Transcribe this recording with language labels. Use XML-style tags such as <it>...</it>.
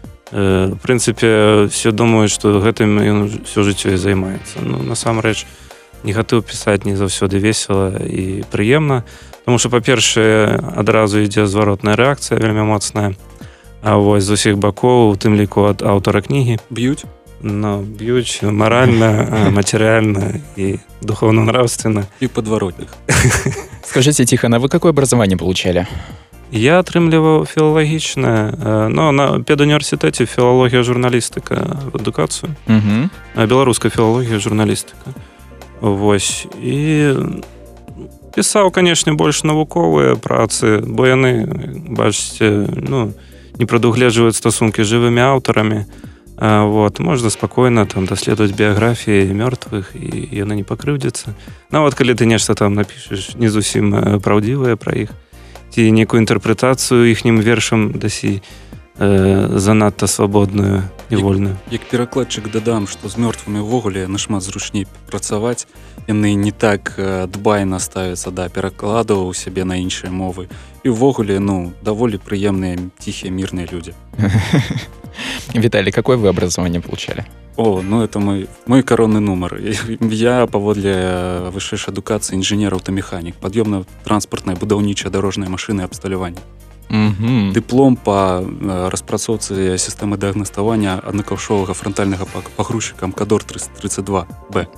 <be>В прынцыпе, все думаюць, што гэтым ён усё жыццё і займаецца. Ну, насамрэч, негатыў пісаць не заўсёды весела і прыемна. Тому што, па-першае, адразу ідзе зваротная рэакцыя, вельмі моцная. А вось з усіх бакоў, у тым ліку ад аўтара кнігі. Б'ють? Ну, б'ють маральна, матэрыяльна і</be> <ru>духовно-нравственна.</ru> <be>І падваротных. Скажыце,</be> <ru>Тихан, а вы какое образаванне получалі?</ru> <be>Я атрымліваў філалагічнае. Ну, на педуніверсітэце філалогія, журналістыка, адукацыю. Беларуская філалогія, журналістыка. Вось. І пісаў, канешне, больш навуковыя працы, бо яны, бачыце, ну, не прадугледжваюць стасункі з жывымі аўтарамі. Вот, можна спакойна там даследаваць біяграфіі мёртвых, і яны не пакрыўдзяцца. Нават калі ты нешта там напішаш не зусім праўдзівае пра іх, ці некую інтэрпрэтацыю іхнім вершам дасі занадта свабодную і вольную. Як перакладчык дадам, што з мёртвымі ўвогуле нашмат зручней працаваць, яны не так дбайна ставяцца да перакладу ў сябе на іншыя мовы. І ўвогуле, ну, даволі прыемныя, ціхія, мірныя людзі.</be> <ru>Віталій, какое вы образаванне получалі? О, ну, это мой каронны нумар.</ru> <be>Я паводле вышэйшай адукацыі інжынер аўтамеханік, пад'ёмна-транспартнай, будаўнічай, дарожнай машыны і абсталяванне. Дыплом па распрацоўцы сістэмы дыягнаставання аднакаўшовага франтальнага пагрузчыка МКДОР 332Б.</be>